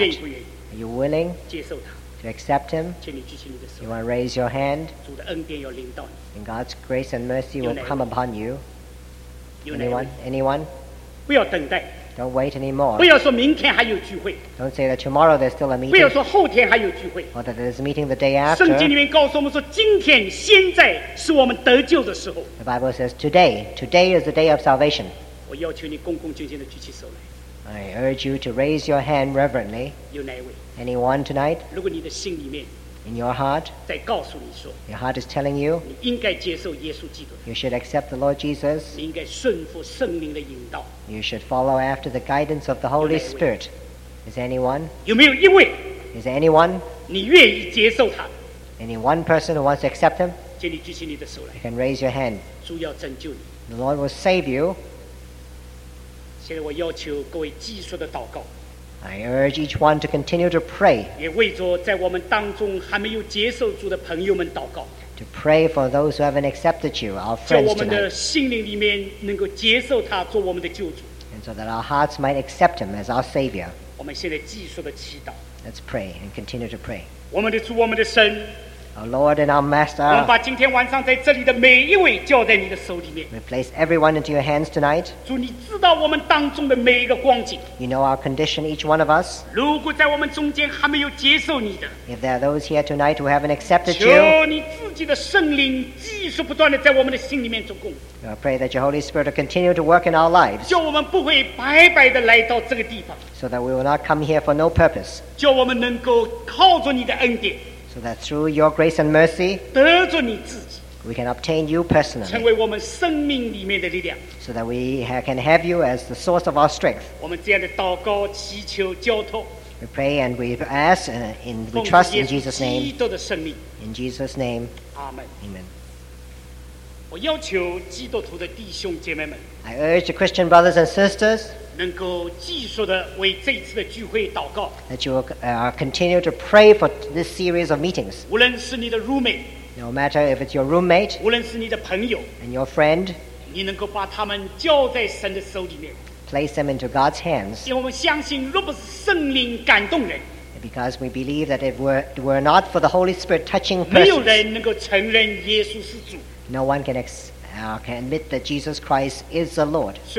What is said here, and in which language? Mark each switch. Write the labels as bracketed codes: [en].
[en] Are you willing to accept Him? You want to raise your hand, and God's grace and mercy will come upon you. Anyone? [zh] 不要等待, [en] Don't wait anymore. [zh] 不要说明天还有聚会。 [en] Don't say that tomorrow there's still a meeting. [zh] 不要说后天还有聚会。 [en] Or that there's a meeting the day after. [zh] 圣经里面告诉我们说，今天现在是我们得救的时候。 [en] The Bible says today is the day of salvation. [zh] 我要求你恭恭敬敬地举起手来。 [en] I urge you to raise your hand reverently. [zh] 有哪位？ [en] Anyone tonight? [zh] 如果你的心里面。 [en] In your heart, [zh] 在告诉你说, [en] your heart is telling you, [zh] 你应该接受耶稣基督, [en] you should accept the Lord Jesus, [zh] 你应该顺服圣灵的引导, [en] you should follow after the guidance of the Holy Spirit. Is anyone? [zh] 有没有一位? [en] Is anyone? [zh] 你愿意接受他? [en] Any one person who wants to accept him? [zh] 请你举起你的手来, [en] you can raise your hand. [zh] 主要拯救你。 [en] The Lord will save you. [zh] 现在我要求各位继续的祷告。 [en] I urge each one to continue to pray. [zh] 也为着在我们当中还没有接受主的朋友们祷告。 [en] To pray for those who haven't accepted you, our friends tonight. [zh] 在我们的心灵里面能够接受他做我们的救主。 [en] And so that our hearts might accept him as our Savior. [zh] 我们现在继续的祈祷。 [en] Let's pray and continue to pray. [zh] 我们的主，我们的神。 [en] Our Lord and our Master. [zh] 我们把今天晚上在这里的每一位交在你的手里面。 [en] We place everyone into your hands tonight. [zh] 主，你知道我们当中的每一个光景。 [en] You know our condition, each one of us. [zh] 如果在我们中间还没有接受你的。 [en] If there are those here tonight who haven't accepted you. [zh] 求你自己的圣灵继续不断地在我们的心里面做工。 [en] I pray that your Holy Spirit will continue to work in our lives. [zh] 叫我们不会白白地来到这个地方。 [en] So that we will not come here for no purpose. [zh] 叫我们能够靠着你的恩典。 [en] So that through your grace and mercy, [zh] 得着你自己, [en] we can obtain you personally, [zh] 成为我们生命里面的力量, [en] so that we can have you as the source of our strength. [zh] 我们这样的祷告, 祈求, 交托, [en] we pray and we ask and we trust in Jesus' name. [zh] 奉耶稣基督的圣名, [en] in Jesus' name. Amen. Amen. [zh] 我要求基督徒的弟兄姐妹们, [en] I urge the Christian brothers and sisters, [zh] 能够继续的为这一次的聚会祷告, [en] that you continue to pray for this series of meetings. [zh] 无论是你的 roommate, [en] no matter if it's your roommate, [zh] 无论是你的朋友, [en] and your friend, [zh] 你能够把他们交在神的手里面, [en] place them into God's hands. [zh] 因为我们相信若不是圣灵感动人, [en] because we believe that if were not for the Holy Spirit touching persons, [zh] 没有人能够承认耶稣是主, [en] no one can accept can admit that Jesus Christ is the Lord.